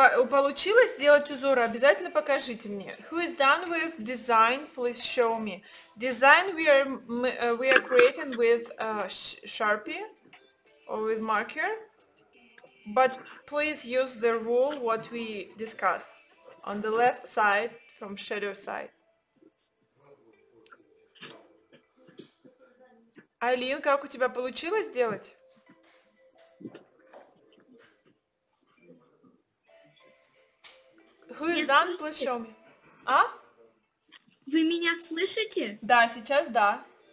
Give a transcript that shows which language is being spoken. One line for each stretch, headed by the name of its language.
Russian: Получилось сделать узоры, обязательно покажите мне.
English: Who is done with design, please show me. Design we are creating with Sharpie or with marker, but please use the rule what we discussed on the left side from shadow side.
Russian: Айлин, как у тебя получилось сделать?
English: Who is done, please show me. А?
Russian: Вы меня слышите? Да, сейчас да.